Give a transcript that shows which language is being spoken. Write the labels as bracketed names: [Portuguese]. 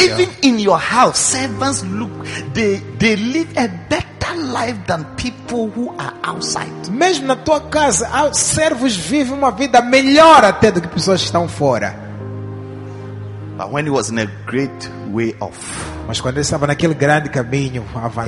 [English] Even in your house, servants look, they live a better life than people who are outside. [Portuguese] Mesmo na tua casa, os servos vivem uma vida melhor até do que pessoas que estão fora. [English] But when he was in a great way off. [Portuguese] Mas quando ele estava naquele grande caminho avançar.